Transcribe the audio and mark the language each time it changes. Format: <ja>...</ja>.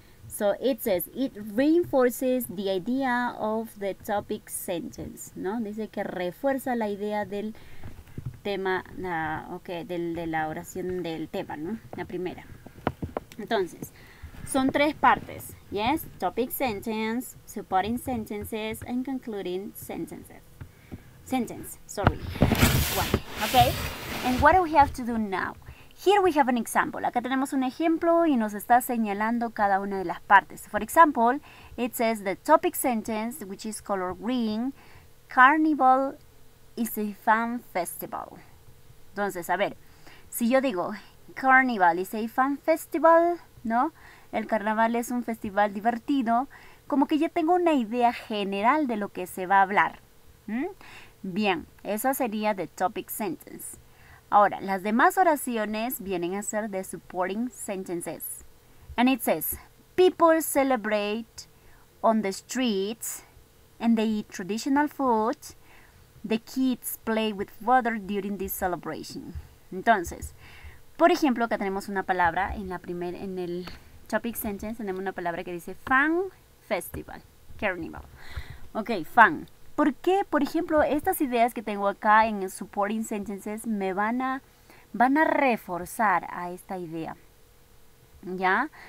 <en>So, it says, it reinforces the idea of the topic sentence.</en> <es>¿No? Dice que refuerza la idea del tema, de la oración del tema, ¿no? La primera. Entonces, son tres partes,</es> <en>yes, topic sentence, supporting sentences, and concluding sentences. Okay, and what do we have to do now? Here we have an example.</en> <es>Acá tenemos un ejemplo y nos está señalando cada una de las partes.</es> <en>For example, it says the topic sentence, which is color green, carnival is a fun festival.</en> <es>Entonces, a ver, si yo digo</es> <en>carnival is a fun festival,</en> <es>¿no? El carnaval es un festival divertido, como que ya tengo una idea general de lo que se va a hablar. Bien, esa sería the topic sentence. Ahora, las demás oraciones vienen a ser the supporting sentences.</es> <en>And it says, people celebrate on the streets and they eat traditional food. The kids play with water during this celebration.</en> <es>Entonces, por ejemplo, acá tenemos una palabra en el topic sentence, tenemos una palabra que dice fun festival, carnival. Ok, fun. ¿Por qué? Por ejemplo, estas ideas que tengo acá en supporting sentences me van a reforzar a esta idea. ¿Ya?</es>